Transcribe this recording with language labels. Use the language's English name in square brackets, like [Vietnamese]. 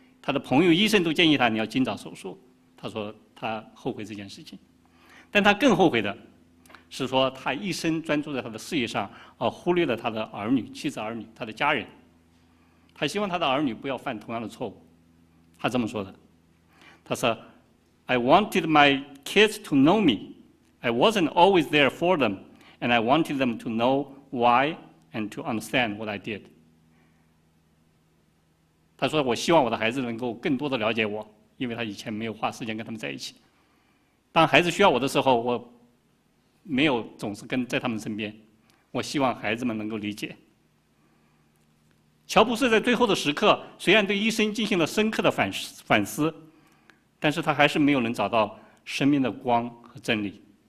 [Chinese] 他的朋友医生都建议他你要尽早手术，他说他后悔这件事情。但他更后悔的是说，他一生专注在他的事业上，而忽略了他的儿女、妻子、儿女、他的家人。他希望他的儿女不要犯同样的错误。他这么说的，他说 [English] I wanted my kids to know me. I wasn't always there for them, and I wanted them to know why and to understand what I did. [Chinese] 他说我希望我的孩子能够更多的了解我，因为他以前没有花时间跟他们在一起。当孩子需要我的时候，我没有总是跟在他们身边，我希望孩子们能够理解。乔布斯在最后的时刻，虽然对医生进行了深刻的反思，但是他还是没有能找到生命的光和真理。